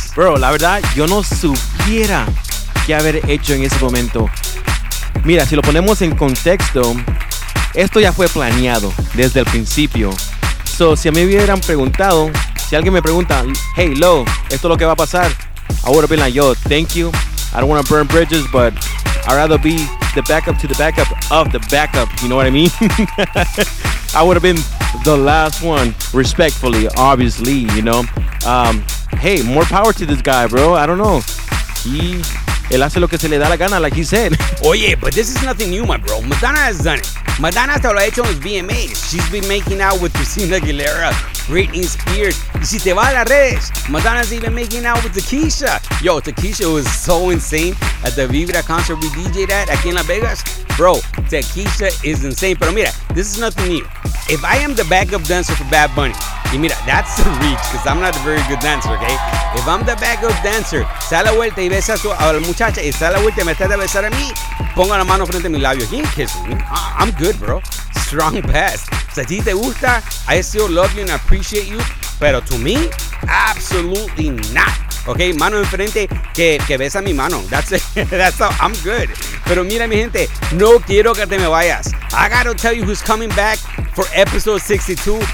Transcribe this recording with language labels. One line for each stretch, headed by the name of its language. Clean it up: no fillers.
Spanish: Bro, la verdad, yo no supiera qué haber hecho en ese momento. Mira, si lo ponemos en contexto, esto ya fue planeado desde el principio. So, si a mí hubieran preguntado, si alguien me pregunta, hey, Lo, ¿esto es lo que va a pasar?
English: I would have been like, yo, thank you. I don't want to burn bridges, but I'd rather be the backup to the backup of the backup. You know what I mean? I would have been the last one, respectfully, obviously, you know. Hey, more power to this guy, bro. I don't know.
Spanish: Él hace lo que se le da la gana,
English: like he said. Oye, but this is nothing new, my bro. Madonna has done it.
Spanish: Madonna hasta lo ha hecho en los VMAs.
English: She's been making out with Christina Aguilera, Britney Spears.
Spanish: Y si te va a las redes,
English: Madonna's even making out with Takeisha. Yo, Takeisha was so insane at the Vibra concert we DJed at
Spanish: aquí en Las Vegas.
English: Bro, Takeisha is insane.
Spanish: Pero mira,
English: this is nothing new. If I am the backup dancer for Bad Bunny,
Spanish: y mira,
English: that's a reach, because I'm not a very good dancer, okay? If I'm the backup dancer,
Spanish: sal a vuelta y besa a la muchacha, y sal a vuelta y me estás a besar a mí, ponga la mano frente a mi labio.
English: He ain't kissing me. I'm good, bro. Strong pass.
Spanish: Si a ti te gusta,
English: I still love you and appreciate you, pero to me, absolutely not. Okay,
Spanish: mano enfrente que besa mi mano.
English: That's all. I'm good.
Spanish: Pero mira, mi gente, no quiero que te me vayas.
English: I gotta tell you who's coming back for episode 62.